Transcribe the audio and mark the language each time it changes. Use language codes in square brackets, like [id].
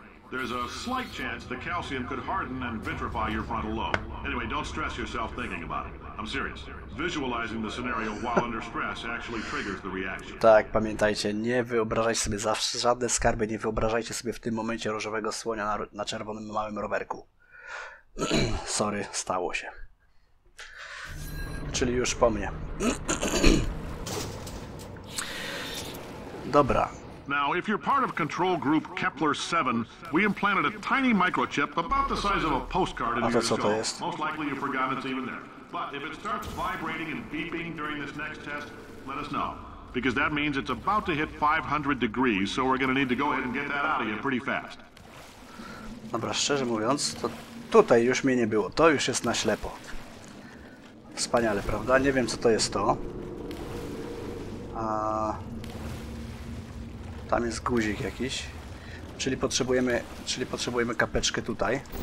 [en] There's a slight chance the calcium could harden and vitrify your frontal lobe. Anyway, don't stress yourself thinking about it. I'm serious. Visualizing the scenario while under stress actually triggers the reaction. [pl] Tak, pamiętajcie, nie wyobrażajcie sobie zawsze żadne skarby, nie wyobrażajcie sobie w tym momencie różowego słonia na czerwonym małym rowerku. Sorry, stało się. Czyli już po mnie. Dobra. [en] Now, if you're part of control group Kepler 7, we implanted a tiny microchip about the size of a postcard in your jaw. Most likely you've forgotten it's even there. But if it starts vibrating and beeping during this next test, let us know. Because that means it's about to hit 500 degrees, so we're going to need to go ahead and get that out of you pretty fast. [pl] Dobra, szczerze mówiąc, to tutaj już mnie nie było. To już jest na ślepo. Wspaniale, prawda? Nie wiem, co to jest to. Tam jest guzik jakiś, czyli potrzebujemy kapeczkę tutaj.